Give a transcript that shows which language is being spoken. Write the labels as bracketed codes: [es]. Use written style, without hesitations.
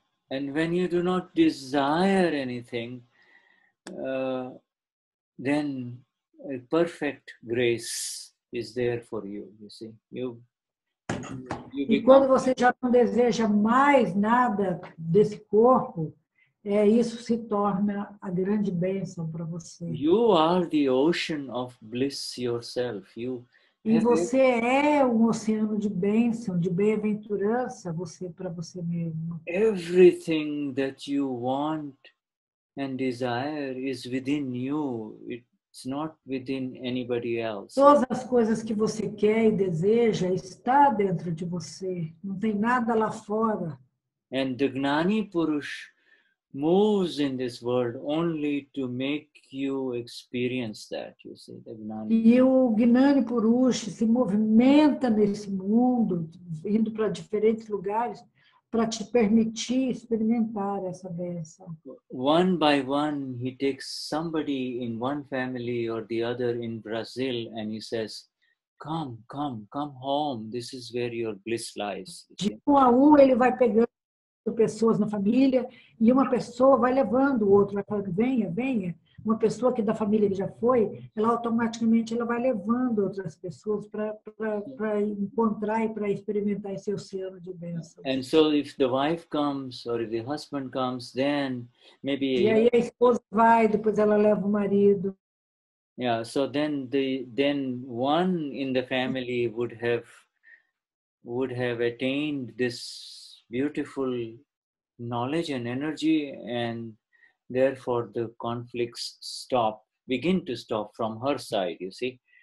[en] And when you do not desire anything, then a perfect grace is there for you, you see. [pt] E quando você já não deseja mais nada desse corpo, isso se torna a grande bênção para você. [en] You are the ocean of bliss yourself. [pt] E você é um oceano de bênção, de bem-aventurança você para você mesmo. [en] Everything that you want and desire is within you. It's not within anybody else. [pt] Todas as coisas que você quer e deseja está dentro de você. Não tem nada lá fora. [en] And the Gnani Purush moves in this world only to make you experience that, you see, the Gnani. [pt] E o Gnani Purush se movimenta nesse mundo, indo para diferentes lugares, para te permitir experimentar essa bênção. [en] One by one, he takes somebody in one family or the other in Brazil and he says, come home, this is where your bliss lies. [pt] De um a um, ele vai pegando pessoas na família, e uma pessoa vai levando o outro, vai falando, venha. Uma pessoa que da família que já foi, ela automaticamente ela vai levando outras pessoas para encontrar e para experimentar esse oceano de bênção. [en] And so if the wife comes, or if the husband comes, then maybe... [pt] E aí a esposa vai, depois ela leva o marido. [en] Yeah, so then one in the family would have attained this beautiful knowledge and energy, and therefore the conflicts begin to stop from her side, you see.